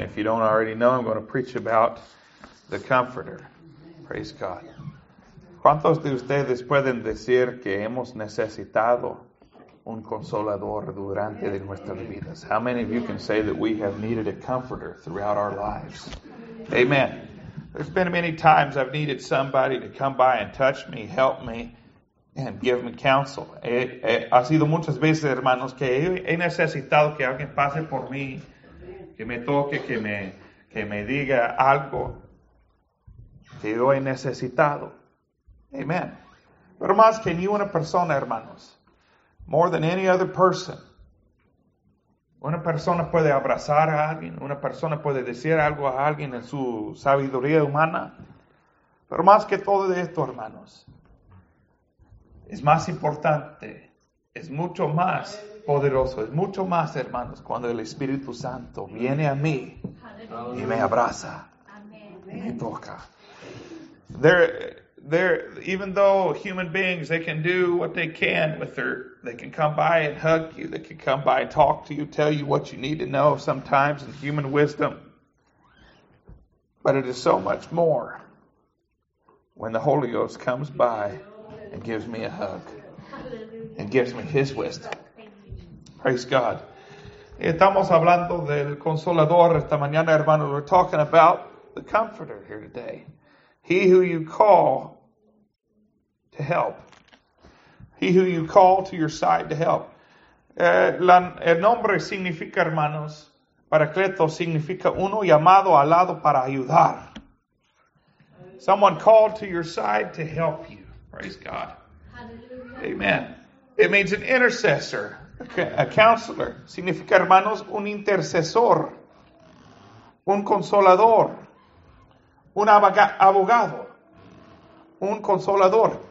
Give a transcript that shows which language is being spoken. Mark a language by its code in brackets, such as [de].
[en] If you don't already know, I'm going to preach about the Comforter. Praise God. [es] ¿Cuántos de ustedes pueden decir que hemos necesitado un Consolador durante de nuestras vidas? [en] How many of you can say that we have needed a Comforter throughout our lives? Amen. There's been many times I've needed somebody to come by and touch me, help me, and give me counsel. [es] Ha sido muchas veces, hermanos, que he necesitado que alguien pase por mí, que me toque, que me diga algo que yo he necesitado. Amen. Pero más que ni una persona, hermanos, [en] more than any other person, [es] una persona puede abrazar a alguien, una persona puede decir algo a alguien en su sabiduría humana, pero más que todo de esto, hermanos, es más importante, es mucho más poderoso, es mucho más, hermanos, cuando el Espíritu Santo viene a mí y me abraza y me toca. [en] Even though human beings, they can do what they can with their, they can come by and hug you, they can come by and talk to you, tell you what you need to know sometimes in human wisdom. But it is so much more when the Holy Ghost comes by and gives me a hug and gives me his wisdom. Praise God. [es] Estamos hablando del Consolador esta mañana, hermanos. [en] We're talking about the Comforter here today. He who you call to help. He who you call to your side to help. [es] El nombre significa, hermanos, paracleto significa uno llamado al lado para ayudar. [en] Someone called to your side to help you. Praise God. Hallelujah. Amen. It means an intercessor, a counselor. [es] Significa, hermanos, un intercesor, un consolador, un abogado, un consolador.